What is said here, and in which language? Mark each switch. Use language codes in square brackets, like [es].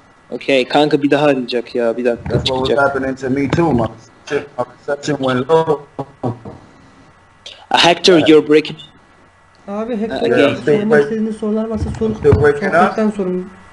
[tr] Okay, kanka bir daha arayacak ya, bir dakika. [en] That's what was happening to me too, my reception went low. Hector, yeah. You're breaking. [tr] Abi Hector, yeah, sormak istediğiniz sorular varsa sorun, sohbetten sorun.